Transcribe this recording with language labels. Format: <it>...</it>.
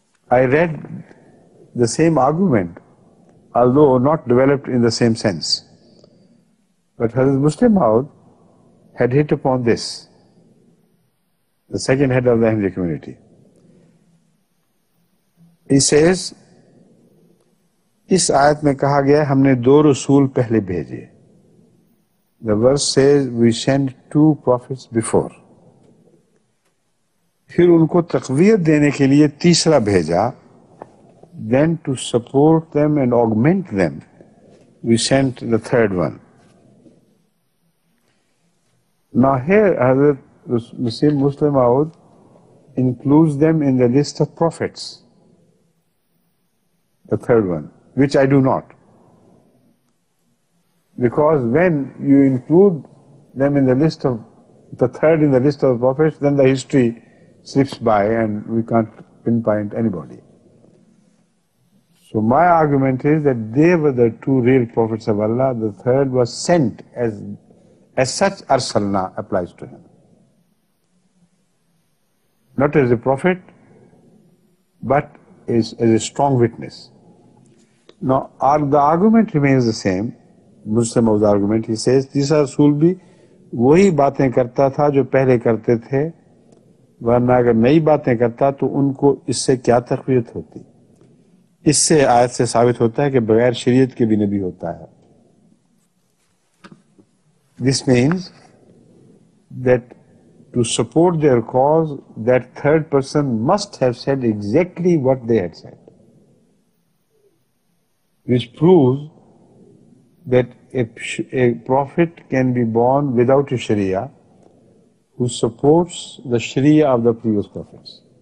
<en>I read the same argument, although not developed in the same sense. But Hazrat Muslim Maud had hit upon this, the second head of the Ahmadiyya community. He says,</en> <ur>اس آیت میں کہا گیا ہم نے دو رسول پہلے بھیجے.</ur> <en>The verse says, we sent two prophets before.</en> <ur>پھر ان کو تقویت دینے کے لیے تیسرا بھیجا.</ur> <en>Then to support them and augment them, we sent the third one. Now here, حضرت مسیح مسلم آؤد includes them in the list of prophets. The third one, which I do not. Because when you include them in the list of, the third in the list of prophets, then the history slips by and we can't pinpoint anybody. So my argument is that they were the two real prophets of Allah. The third was sent as such, arsalna applies to him. Not as a prophet, but as a strong witness. Now, the argument remains the same. Muslim of the argument, he says,</en> <ur>تیسرا رسول بھی وہی باتیں کرتا تھا جو پہلے کرتے تھے, ورنہ اگر نئی باتیں کرتا تو ان کو اس سے کیا تقویت ہوتی. اس سے آیت سے ثابت ہوتا ہے کہ بغیر شریعت کے بھی نبی ہوتا ہے.</ur> <en>This means that to support their cause, that third person must have said exactly what they had said. Which proves that a prophet can be born without a sharia who supports the sharia of the previous prophets.</en>